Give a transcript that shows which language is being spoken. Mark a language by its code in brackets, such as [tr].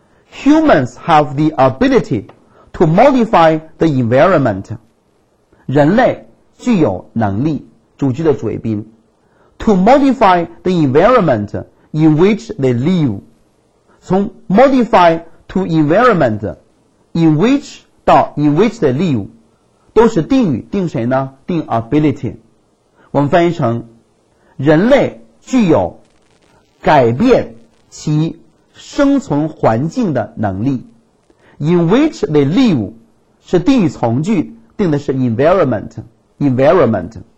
[en] Humans have the ability to modify the environment. [zh] 人类具有能力，主句的主谓宾。 [en] To modify the environment in which they live. [zh] 从 [en] modify to environment in which [zh] 到 [en] in which they live. [zh] 都是定语，定谁呢？定 ability。我们翻译成人类具有改变其生存环境的能力。 [en] in which they live [zh] 是定语从句，定的是 environment, environment。